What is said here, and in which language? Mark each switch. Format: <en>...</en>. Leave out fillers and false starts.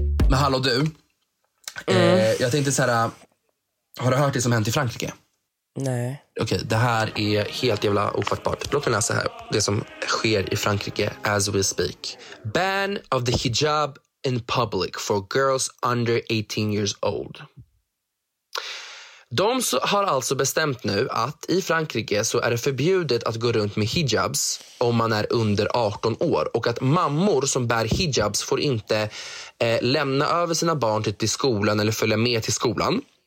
<sv>Men hallå du. Jag tänkte så här. Har du hört det som hänt i Frankrike? Nej. Okej, det här är helt jävla ofattbart. Låt mig läsa här det som sker i Frankrike</sv> <en>as we speak. Ban of the hijab in public for girls under 18 years old.</en> <sv>De har alltså bestämt nu att i Frankrike så är det förbjudet att gå runt med hijabs om man är under 18 år. Och att mammor som bär hijabs får inte lämna över sina barn till skolan eller följa med till skolan.</sv>